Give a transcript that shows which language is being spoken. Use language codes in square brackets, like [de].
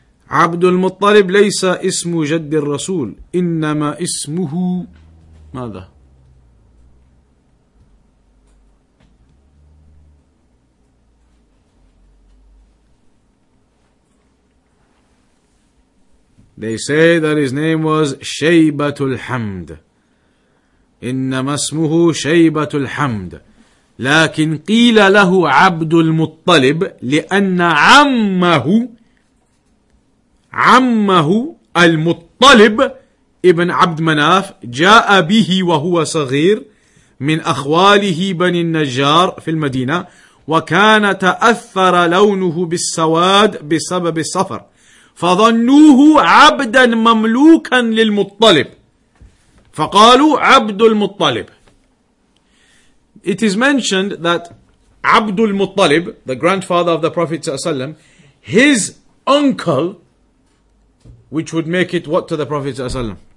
[ar] Abdul Muttalib laysa ismu jaddi rasul. Innama ismuhu ماذا? [en] They say that his name was Shaybatul Hamd. [ar] إِنَّمَا اسْمُهُ شَيْبَةُ الْحَمْدِ لَكِنْ قِيلَ لَهُ عَبْدُ الْمُطَّلِبِ لِأَنَّ عَمَّهُ الْمُطَّلِبِ ابن عبد مناف جاء به وهو صغير من أخواله بني النجار في المدينة وكان تأثر لونه بالسواد بسبب السفر فظنوه عبدا مملوكا للمطلب فقالوا عبد المطلب. [en] It is mentioned that عبد المطلب, the grandfather of the Prophet ﷺ, his uncle, which would make it what to the Prophet ﷺ?